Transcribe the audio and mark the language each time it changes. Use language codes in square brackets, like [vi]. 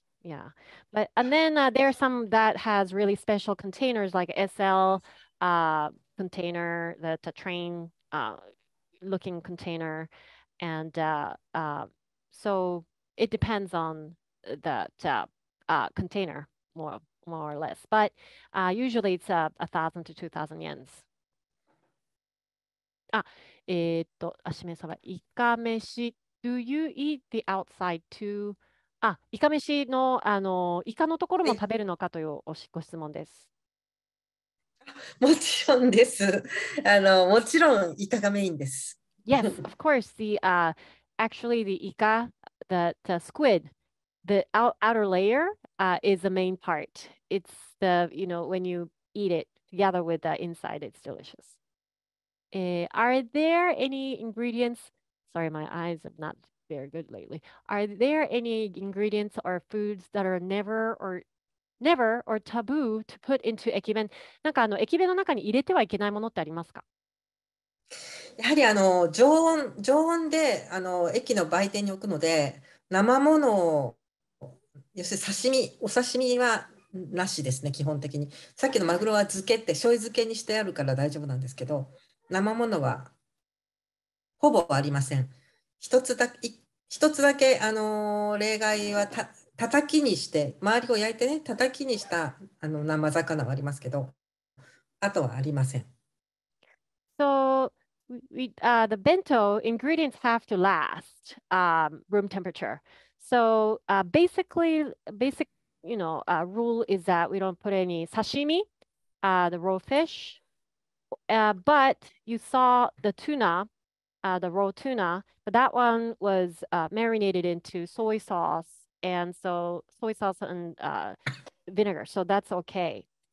[en] Yeah, but and then there are some that has really special containers like SL container, that a train looking container, and so it depends on that container more or less. But usually it's 1,000 to 2,000 yens. Ah, Ashimesaba, ikameshi, do you eat the outside too? [ja] あ、イカ飯の、あの、イカのところも食べるのかというご質問です。もちろんです。あの、もちろんイカがメインです。 [en] Yes, of course. The, actually, the イカ, that squid, the outer layer, is the main part. It's the, you know, when you eat it together with the inside, it's delicious. Are there any ingredients? Sorry, my eyes have not... very good lately. Are there any ingredients or foods that are never or taboo to put into ekiben? [ja] なんかあの ekiben の中に入れてはいけないものってありますか？やはりあの常温であの駅の売店に置くので生物を要するに刺身、お刺身はなしですね、基本的に。さっきのマグロは漬けって醤油漬けにしてあるから大丈夫なんですけど、生物はほぼありません。一つだけ、例外はたたきにして、周りを焼いてね、たたきにしたあの生魚はありますけど、あとはありません。 [en] So, the bento ingredients have to last, room temperature. So, basic, you know, rule is that we don't put any sashimi, the raw fish, but you saw the tuna,the raw tuna, but that one was marinated into soy sauce, and so soy sauce and vinegar, so that's okay.